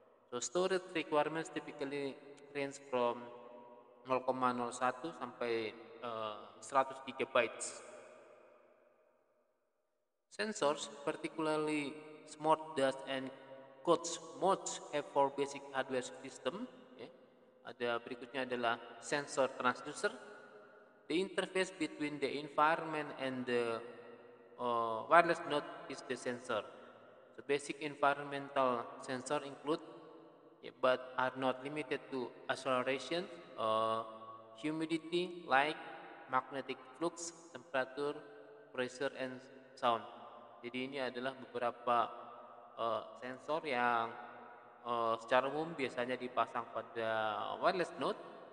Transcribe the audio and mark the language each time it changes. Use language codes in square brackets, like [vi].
[en] So storage requirements typically range from 0,01 [id] sampai [en] 100 gigabytes. Sensors, particularly smart dust and COTS modes, have four basic hardware system. Okay. [id] Ada berikutnya adalah sensor transducer. [en] The interface between the environment and the wireless node is the sensor. The basic environmental sensor include, yeah, but are not limited to acceleration, humidity, light, magnetic flux, temperature, pressure, and sound. [id] Jadi ini adalah beberapa sensor yang secara umum biasanya dipasang pada wireless node.